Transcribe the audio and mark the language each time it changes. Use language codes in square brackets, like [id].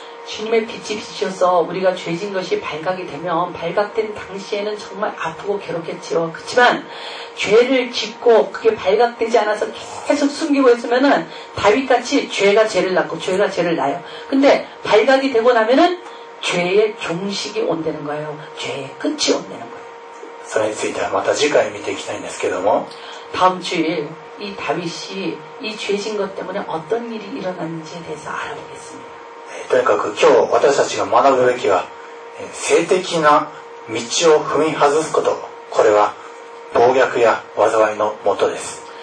[ko] 주님의빛이비추셔서우리가죄진것이발각이되면발각된당시에는정말아프고괴롭겠지요그렇지만죄를짓고그게발각되지않아서계속숨기고있으면은다윗같이죄가죄를낳고죄가죄를낳아요근데발각이되고나면은죄의종식이온다는거예요죄의끝이온다는거예요 [ja] それについてはまた次回見ていきたいんですけども [ko] 다음주에이다윗이이죄진것때문에어떤일이일어났는지에대해서알아보겠습니다 [ja] とにかく今日私たちが学ぶべきは性的な道を踏み外すことこれは暴虐や災いのもとです